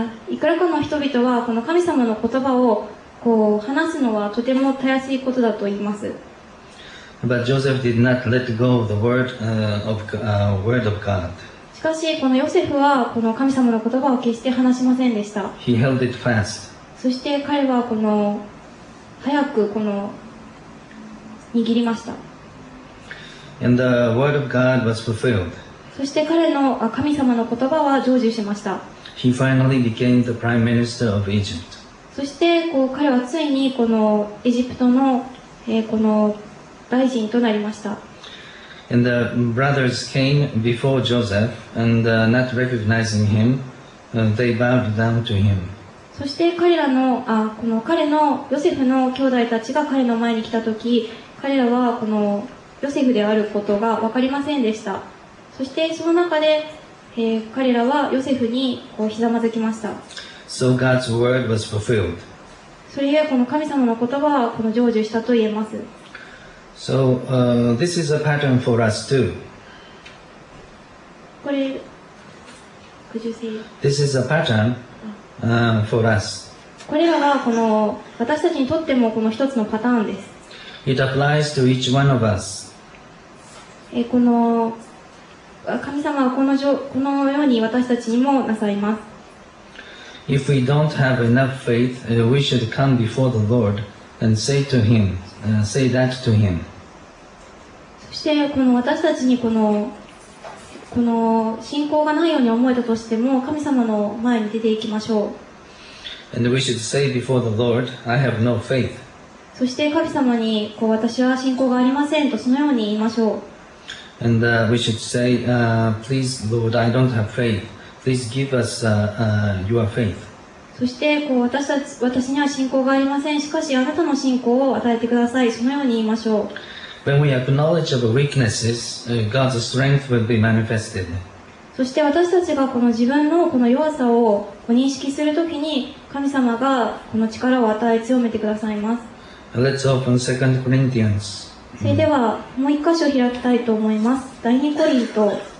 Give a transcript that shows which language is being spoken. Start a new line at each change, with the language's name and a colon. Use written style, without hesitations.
Japanese: いくらかの人々はこの神様の言葉をこう話すのはとてもたやすいことだと言います。
English: But Joseph did not let go of the word word of God.
Japanese: しかしこのヨセフはこの神様の言葉を決して話しませんでした。
English: He held it fast.
Japanese: そして彼はこの早くこの握りました。
English: And the word of God was fulfilled.
Japanese: そして彼の神様の言葉は成就しました。
English: He finally became the prime minister of Egypt.
Japanese: そしてこう彼はついにこのエジプトの、この大臣となりました。
English: And the brothers came before Joseph, and not recognizing him, they bowed down to him.
Japanese: そして彼らの、この彼のヨセフの兄弟たちが彼の前に来た時、彼らはこのヨセフであることが分かりませんでした。そしてその中で、彼らはヨセフにこうひざまずきました。
English: So God's word was fulfilled.
Japanese: それゆえこの神様の言葉はこの成就したと言えます。
English: So, this is a pattern for us too.
Japanese: これ、
English: could you say? This is a pattern, for us.
Japanese: これらはこの私たちにとってもこの一つのパターンです。
English: It applies to each one of us.
Japanese: この神様はこのように私たちにもなさいます。
English: If we don't have enough faith, we should come before the Lord and say to him, say that to him.
Japanese: そしてこの私たちにこの信仰がないように思えたとしても神様の前に出ていきましょう。
English: And we should say before the Lord, I have no faith.
Japanese: そして神様にこう私は信仰がありませんとそのように言いましょう。
English: And we should say, please, Lord, I don't have faith. Please give us your faith.
Japanese: そしてこう私には信仰がありません。しかしあなたの信仰を与えてください。そのように言いましょう。
English: When we acknowledge our weaknesses, God's strength will be manifested.
Japanese: そして私たちがこの自分のこの弱さを認識するときに、神様がこの力を与え強めてくださいます。
English: Let's open 2 Corinthians.
Japanese: それではもう一箇所開きたいと思います。第二コリント